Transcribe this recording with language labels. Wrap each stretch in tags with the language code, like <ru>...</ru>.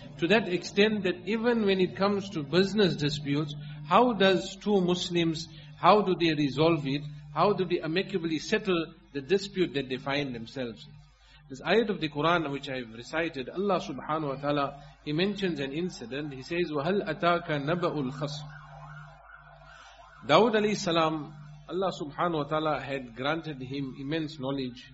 <en>To that extent that even when it comes to business disputes, how does two Muslims, how do they resolve it? How do they amicably settle the dispute that they find themselves in? This ayat of the Quran which I have recited, Allah subhanahu wa ta'ala, he mentions an incident. He says,</en> <ar>وَهَلْ أَتَاكَ نَبَأُ الْخَصْمِ.</ar> <en>Dawud alayhi salam, Allah subhanahu wa ta'ala had granted him immense knowledge.</en>